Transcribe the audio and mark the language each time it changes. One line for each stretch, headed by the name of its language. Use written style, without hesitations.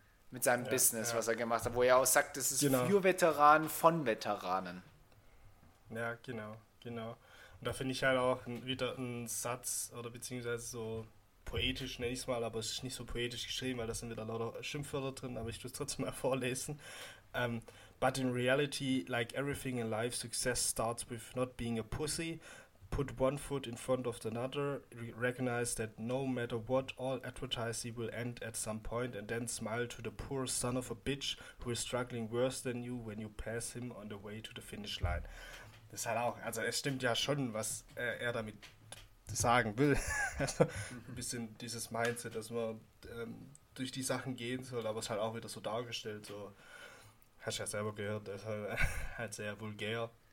German: Mit seinem Business, was er gemacht hat, wo er auch sagt, das ist für Veteranen von Veteranen. Ja, genau. Und da finde ich halt auch wieder einen Satz oder beziehungsweise so poetisch, nenne ich es mal, aber es ist nicht so poetisch geschrieben, weil da sind wieder lauter Schimpfwörter drin, aber ich tue es trotzdem mal vorlesen.
English: But in reality, like everything in life, success starts with not being a pussy. Put one foot in front of another, recognize that no matter what, all advertising will end at some point, and then smile to the poor son of a bitch who is struggling worse than you when you pass him on the way to the finish line.
German: Das ist halt auch, also es stimmt ja schon, was er damit sagen will. Also ein bisschen dieses Mindset, dass man durch die Sachen gehen soll, aber es halt auch wieder so dargestellt, so hast du ja selber gehört, das ist halt sehr vulgär.